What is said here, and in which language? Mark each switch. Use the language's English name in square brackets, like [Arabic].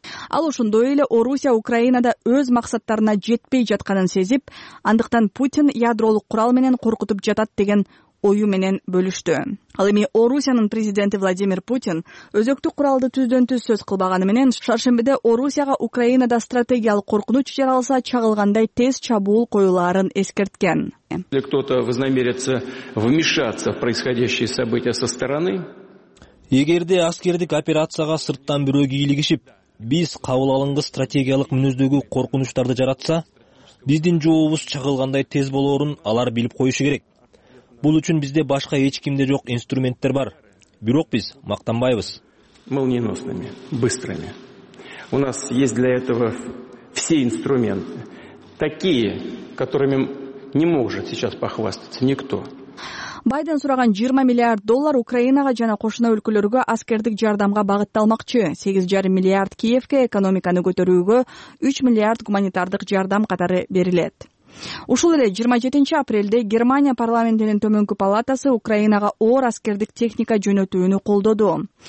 [Kyrgyz] Ал ошондой эле Орусия Украинада өз максаттарына жетпей жатканын сезип, андыктан Путин ядролук курал менен коркутуп жатат деген ою менен бөлүштү. Ал эми Орусиянын президенти Владимир Путин өзөктүк куралды түздөн-түз сөз кылбаганы менен шаршембиде Орусияга Украинада стратегиялык коркунуч жаралса чагылгандай тез чабуул коюларын эскерткен. [Russian] Если кто-то вознамерится вмешаться в происходящие события со стороны, [Kyrgyz] эгерде аскердик операцияга сырттан бирөө кийлигишип, биз кабыл алынгыс стратегиялык мүнөздөгү коркунучтарды жаратса, биздин жообубуз чагылгандай тез болоорун алар билип коюшу керек. Бул үчүн бизде башка эч кимде жок инструменттер бар. Бирок биз мактанбайбыз. [Russian] Молниеносными, быстрыми. У нас есть для этого все инструменты, такие, которыми не может сейчас похвастаться никто. [Kyrgyz] Байден сураган 20 миллиард доллар Украинага жана кошуна өлкөлөргө аскердик жардамга багытталмакчы. 8,5 миллиард Киевке экономиканы көтөрүүгө, 3 миллиард гуманитардык жардам катары берилет. Ушул эле 27 апрелде Германия парламентинин төмөнкү палатасы Украинага оор аскердик техника жөнөтүүнү колдоду.